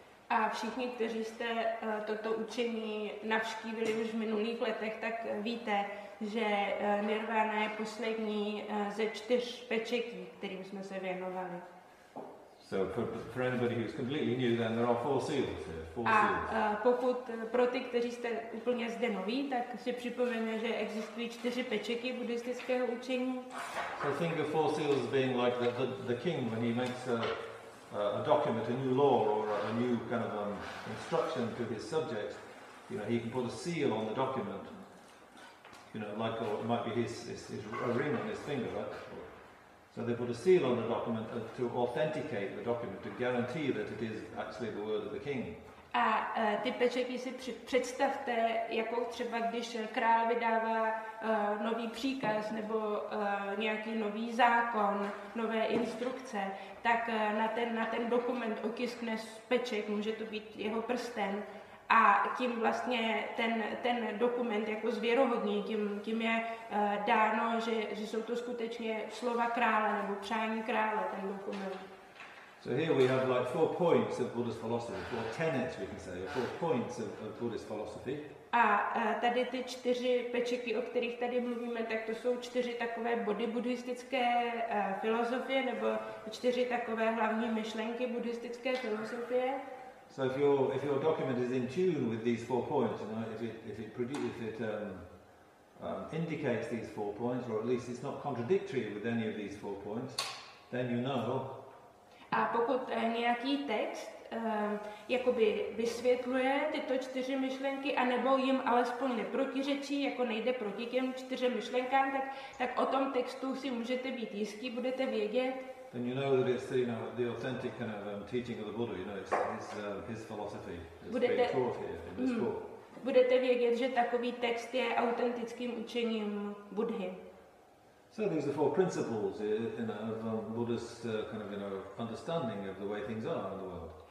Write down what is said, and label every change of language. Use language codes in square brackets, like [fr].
[cs] A všichni, kteří jste toto učení navštívili už v minulých letech, tak víte, že nirvana je poslední ze čtyř pečetí, kterým jsme se věnovali. [en] So for anybody who's completely new, then there are four seals here, four seals. [cs] A pokud pro ty, kteří jste úplně zde noví, tak si připomeneme, že existují čtyři pečetí buddhistického učení. [en] So think of four seals being like the king when he makes a document, a new law, or a new kind of instruction to his subject, he can put a seal on the document, or it might be his a ring on his finger, right? So they put a seal on the document to authenticate the document, to guarantee that it is actually the word of the king. [cs] A ty pečeky si představte, jako třeba když král vydává nový příkaz nebo nějaký nový zákon, nové instrukce, tak na ten dokument otiskne peček, může to být jeho prsten. A tím vlastně ten dokument jako zvěrohodní, tím je dáno, že jsou to skutečně slova krále nebo přání krále, ten dokument. [en] So here we have like four points of Buddhist philosophy, four tenets we can say, four points of Buddhist philosophy. [cs] A tady ty čtyři pečeky, o kterých tady mluvíme, tak to jsou čtyři takové body buddhistické filozofie, nebo čtyři takové hlavní myšlenky buddhistické filozofie. [en] So if your document is in tune with these four points, you know, if it indicates these four points, or at least it's not contradictory with any of these four points, then you know. [cs] A pokud nějaký text jakoby vysvětluje tyto čtyři myšlenky, anebo jim alespoň neprotiřečí, jako nejde proti těm čtyřem myšlenkám, tak o tom textu si můžete být jistí, budete vědět. [en] Then you know that it's the, you know, the authentic kind of teaching of the Buddha, you know, it's his philosophy, it's being taught here in this book. [cs] Budete vědět, že takový text je autentickým učením Buddhy. [en] So these are four principles, you know, of Buddhist kind of, you know, understanding of the way things are in the world.